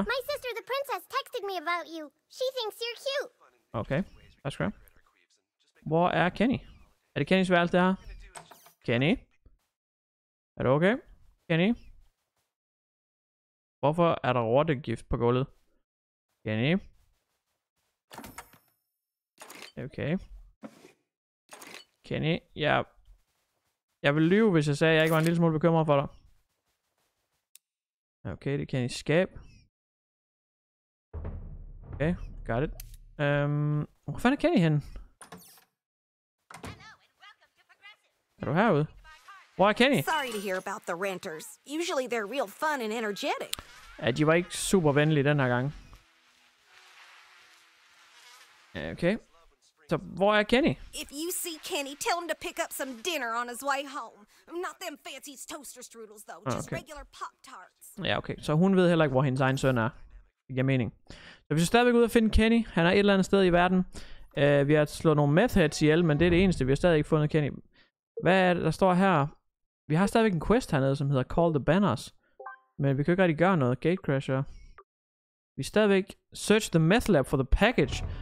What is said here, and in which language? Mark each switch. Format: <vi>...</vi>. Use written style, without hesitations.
<en>My sister the princess texted me about you. She thinks you're cute. Okay, that's great.</en> <da>Hvor er Kenny? Er det Kennys værelse der? Kenny? Er du okay? Kenny? Hvorfor er der rottegift på gulvet? Kenny? Okay. Kenny, jeg vil lyve, hvis jeg sagde, at jeg ikke var en lille smule bekymret for dig. Okay, det kan I skabe.</da> <en>Okay, got it.</en> <da>Hvor fanden er Kenny henne? Er du herude? Hvor er Kenny?</da> <en>Sorry to hear about the ranters. Usually they're real fun and energetic.</en> <da>Ja, de var ikke super venlige den her gang. Okay. Så hvor er Kenny?</da> <en>If you see Kenny, tell him to pick up some dinner on his way home. Not them fancy toaster strudels though, just okay. Regular Pop-Tarts.</en> <da>Ja, okay. Så hun ved heller ikke, hvor hendes egen søn er. Det giver mening. Så vi skal stadigvæk ud og finde Kenny. Han er et eller andet sted i verden. Vi har slået nogle meth heads ihjel, men det er det eneste. Vi har stadig ikke fundet Kenny. Hvad er det, der står her? Vi har stadigvæk en quest hernede, som hedder Call the Banners. Men vi kan ikke rigtig gøre noget. Gatecrasher. Vi er stadigvæk</da> <en>search the meth lab for the package.</en>